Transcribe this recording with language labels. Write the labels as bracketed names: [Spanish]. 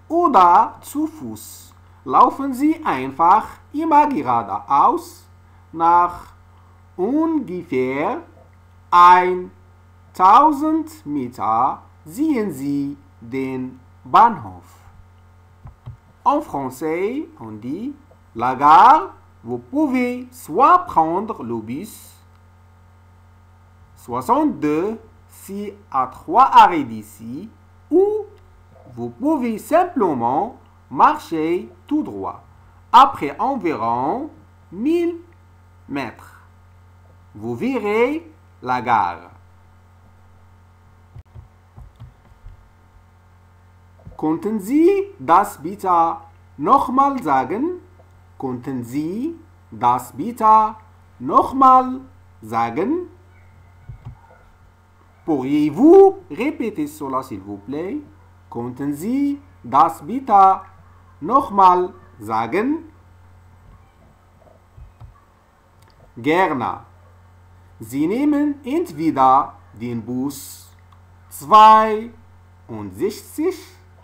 [German] Oder zu Fuß. Laufen Sie einfach immer geradeaus. Nach ungefähr 1000 Meter sehen Sie den Bahnhof. [French] En français, on dit, la gare, vous pouvez soit prendre le bus 62 si à 3 arrêts d'ici, ou vous pouvez simplement marcher tout droit après environ 1000 mètres. Vous verrez la gare. [German] Könnten Sie das bitte nochmal sagen? Könnten Sie das bitte nochmal sagen? [French] Pourriez-vous répéter cela, s'il vous plaît? [German] Könnten Sie das bitte nochmal sagen? Gerne. Sie nehmen entweder den Bus 62.